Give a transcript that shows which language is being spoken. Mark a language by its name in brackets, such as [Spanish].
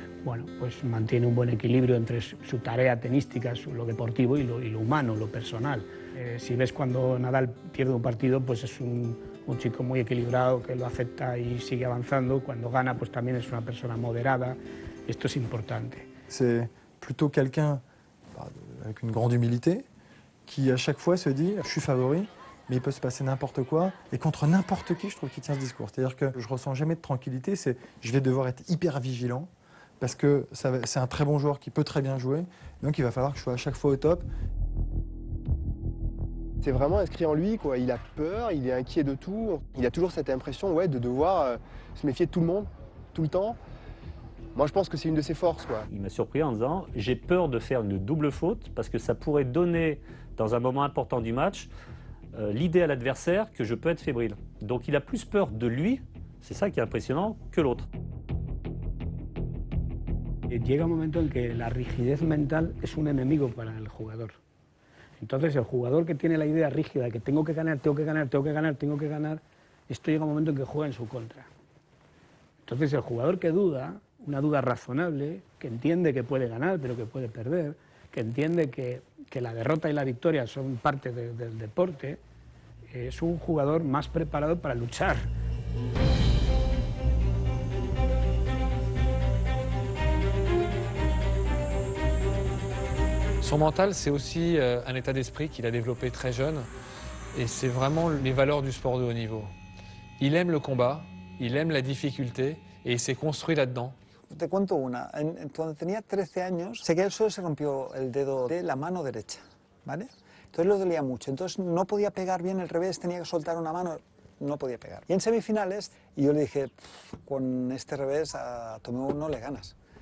[Spanish] Bueno, pues mantiene un buen equilibrio entre su tarea tenística, lo deportivo y lo humano, lo personal. Si ves cuando Nadal pierde un partido, pues es un chico muy equilibrado que lo acepta y sigue avanzando. Cuando gana, pues también es una persona moderada. Esto es importante. [French] C'est plutôt quelqu'un avec une grande humilité qui à chaque fois se dit, je suis favori, mais il peut se passer n'importe quoi. Et contre n'importe qui, je trouve qu'il tient ce discours. C'est-à-dire que je ressens jamais de tranquillité. C'est, je vais devoir être hyper vigilant. Parce que c'est un très bon joueur qui peut très bien jouer, donc il va falloir que je sois à chaque fois au top. C'est vraiment inscrit en lui, quoi. Il a peur, il est inquiet de tout. Il a toujours cette impression, ouais, de devoir se méfier de tout le monde, tout le temps. Moi, je pense que c'est une de ses forces, quoi. Il m'a surpris en disant, j'ai peur de faire une double faute, parce que ça pourrait donner, dans un moment important du match, l'idée à l'adversaire que je peux être fébrile. Donc il a plus peur de lui, c'est ça qui est impressionnant, que l'autre. [Spanish] Llega un momento en que la rigidez mental es un enemigo para el jugador. Entonces, el jugador que tiene la idea rígida de que tengo que ganar, tengo que ganar, tengo que ganar, tengo que ganar, esto llega un momento en que juega en su contra. Entonces, el jugador que duda, una duda razonable, que entiende que puede ganar, pero que puede perder, que entiende que la derrota y la victoria son parte del deporte, es un jugador más preparado para luchar. [French] Son mental, c'est aussi un état d'esprit qu'il a développé très jeune et c'est vraiment les valeurs du sport de haut niveau. Il aime le combat, il aime la difficulté et il s'est construit là-dedans. [Spanish] Te cuento una. Cuando tenía 13 años, sé que el suelo se rompió el dedo de la mano derecha, ¿vale? Entonces lo dolía mucho. Entonces no podía pegar bien el revés, tenía que soltar una mano, no podía pegar. Y en semifinales, yo le dije, con este revés a Tomeu no le ganas.